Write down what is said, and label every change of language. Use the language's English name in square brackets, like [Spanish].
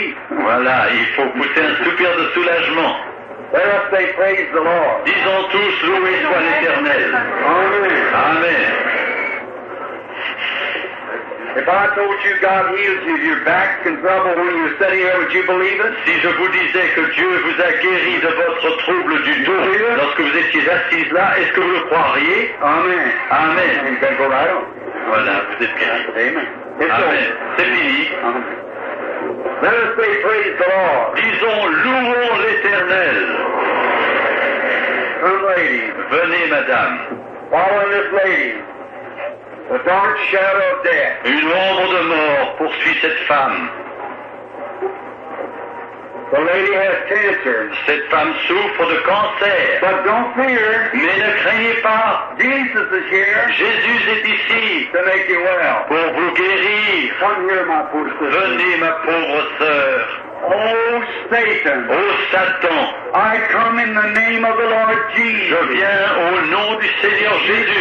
[French] Voilà, il faut pousser un soupir de soulagement. [English] Let us say praise the Lord. [French] Disons tous loué soit l'Éternel. Amen. [English] If I told you God heals you, your back's in trouble when you're sitting here, would you believe it? [French] Si je vous disais que Dieu vous a guéri de votre trouble du dos lorsque vous étiez assise là, est-ce que vous le croiriez? Amen. Amen. [English] You can go right on. [French] Voilà, vous êtes guéri. Amen. C'est fini. [English] Amen. Let us say praise the Lord. [French] Disons louons l'Éternel. [English] Come, lady. [French] Venez, madame. [English] Follow this lady. The dark shadow of death. [French] Une ombre de mort poursuit cette femme. [English] The lady has cancer. [French] Cette femme souffre de cancer. [English] But don't fear. [French] Mais ne craignez pas. [English] Jesus is here. [French] Jésus est ici. [English] To make you well. [French] Pour vous guérir. [English] Come here, my poor sister. [French] Venez, ma pauvre sœur. Oh Satan. Oh Satan. [English] I come in the name of the Lord Jesus. [French] Je viens au nom du Seigneur Jésus.